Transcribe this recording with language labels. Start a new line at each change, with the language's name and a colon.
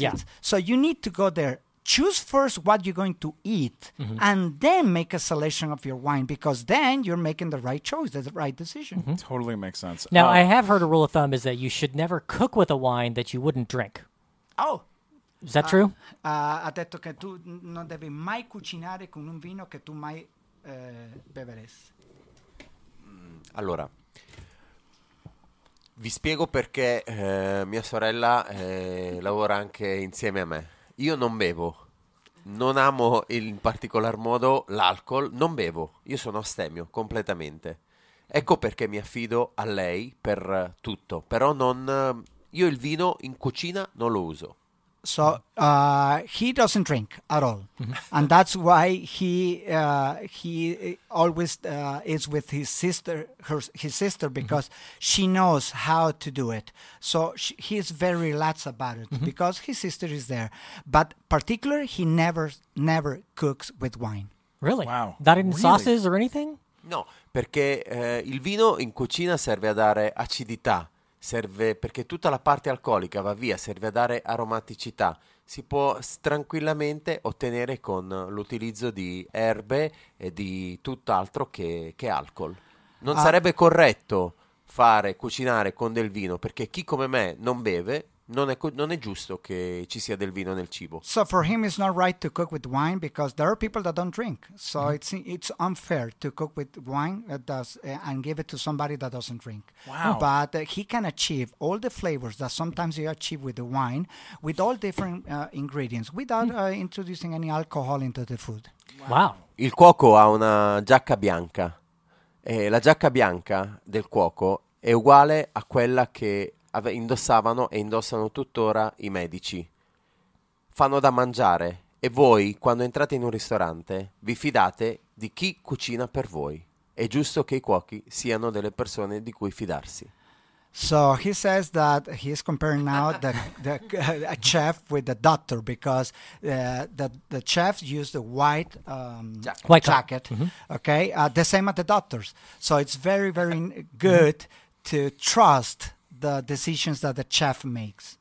English: Yeah. So you need to go there choose first what you're going to eat, mm-hmm. and then make a selection of your wine, because then you're making the right choice, the right decision. Mm-hmm. Totally makes sense. Now, I have heard a rule of thumb is that you should never cook with a wine that you wouldn't drink. Oh. Is that true?
Italian: Ha detto che tu non devi mai cucinare con un vino che tu mai beveresti. Allora, vi spiego perché mia sorella lavora anche insieme a me. Io non bevo, non amo in particolar modo l'alcol, non bevo, io sono astemio completamente. Ecco perché mi affido a lei per tutto, però non, io il vino in cucina non lo uso.
English: So he doesn't drink at all, and that's why he always is with his sister, his sister, because she knows how to do it. So he is very relaxed about it because his sister is there. But particularly, he never cooks with wine. Really? Wow! Not in sauces or anything?
Italian: No, perché il vino in cucina serve a dare acidità. Serve perché tutta la parte alcolica va via, serve a dare aromaticità. Si può tranquillamente ottenere con l'utilizzo di erbe e di tutt'altro che alcol. Non sarebbe corretto cucinare con del vino, perché chi come me non beve, non è giusto che ci sia del vino nel cibo.
English: So for him it's not right to cook with wine because there are people that don't drink. So it's unfair to cook with wine that does and give it to somebody that doesn't drink. Wow. But he can achieve all the flavors that sometimes you achieve with the wine with all different ingredients without introducing any alcohol into the food. Wow.
Italian: Il cuoco ha una giacca bianca. La giacca bianca del cuoco è uguale a quella che indossavano e indossano tuttora i medici. Fanno da mangiare e voi, quando entrate in un ristorante, vi fidate di chi cucina per voi. È giusto che i cuochi siano delle persone di cui fidarsi.
English: So he says that he is comparing now a chef with a doctor because the chef used a white jacket. Mm-hmm. Okay, the same at the doctors. So it's very, very good to trust the decisions that the chef makes.